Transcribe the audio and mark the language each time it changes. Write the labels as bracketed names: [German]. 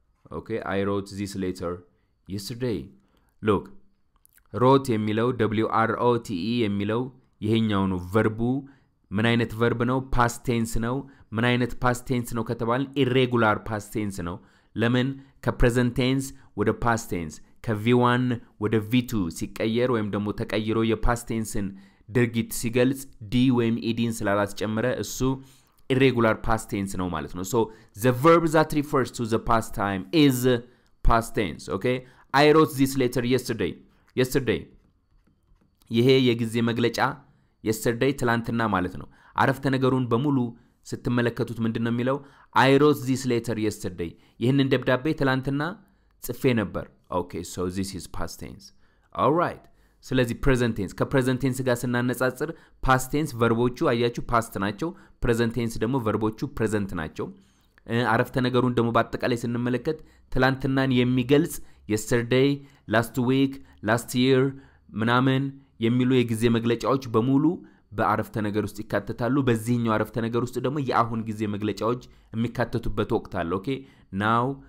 [English] Okay, I wrote this letter yesterday. [Amharic] Look, wrote የሚለው WROTE የሚለው ይሄኛው ነው verbu። ምን አይነት verb ነው? past tense ነው። ምን አይነት past tense ነው ከተባለ irregular past tense ነው። ለምን? ከpresent tense ወደ past tense ከv1 ወደ v2 ሲቀየር ወይም ደግሞ ተቀይሮ የpast tenseን ድርጊት ሲገልጽ d ወይም ed-ን ስላላስጨመረ እሱ irregular past tense ነው ማለት ነው። [English] So the verb that refers to the past time is past tense. Okay, I wrote this letter yesterday. [Amharic] ይሄ የጊዜ መግለጫ yesterday ትላንትና ማለት ነው። አረፍተ ነገሩን በሙሉ ስትመለከቱት ምንድነው የሚለው? [English] I wrote this letter yesterday. [Amharic] ይሄንን ደብዳቤ ትላንትና ጽፌ ነበር። [English] Okay, so this is past tense. All right. [Amharic] ስለዚህ present tense ከpresent tense ጋር ስናነጻጽር past tense verbዎቹ አያችሁ past ናቸው፣ present tense ደግሞ verbዎቹ present ናቸው። አረፍተ ነገሩን ደግሞ በአጠቃላይ ስንመለከት ትላንትናን የሚገልጽ yesterday, last week, last year ምናምን የሚሉ የጊዜ መግለጫዎች በሙሉ በአረፍተ ነገር ውስጥ ይካተታሉ። በዚህኛው አረፍተ ነገር ውስጥ ደግሞ የአሁን ጊዜ መግለጫዎች የሚካተቱበት ወቅት አለ። ኦኬ now,